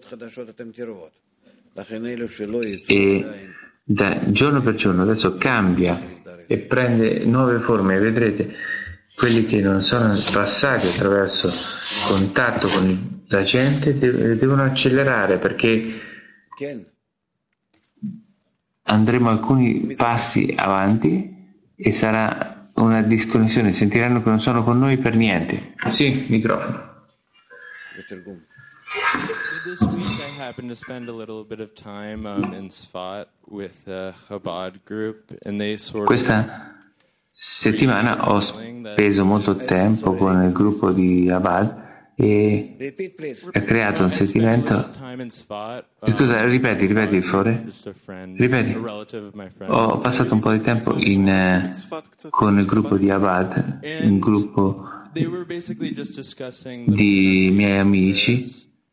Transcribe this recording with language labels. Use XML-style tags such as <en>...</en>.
<it>E da giorno per giorno adesso cambia e prende nuove forme, vedrete quelli che non sono passati attraverso contatto con la gente devono accelerare, perché andremo alcuni passi avanti e sarà una disconnessione, sentiranno che non sono con noi per niente. Sì, microfono.</it> <en>This week I happened to spend a little bit of time in Sfat with the Chabad group, and they sort of.</en> <it>Questa settimana ho speso molto tempo con il gruppo di Chabad e ha creato un sentimento. Scusa, ripeti fuori. Ripeti. Ho passato un po' di tempo in con il gruppo di Chabad, un gruppo di miei amici.</it>